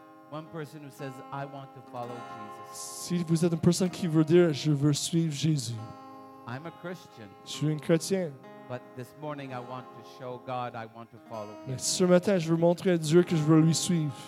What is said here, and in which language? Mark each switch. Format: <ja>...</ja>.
<en>one person who says, I want to follow Jesus.</en> <fr>Si vous êtes une personne qui veut dire, je veux suivre Jésus.</fr> <en>I'm a Christian.</en> <fr>Je suis un chrétien.</fr> <en>But this morning I want to show God I want to follow him.</en> <fr>Mais ce matin je veux montrer à Dieu que je veux lui suivre.</fr>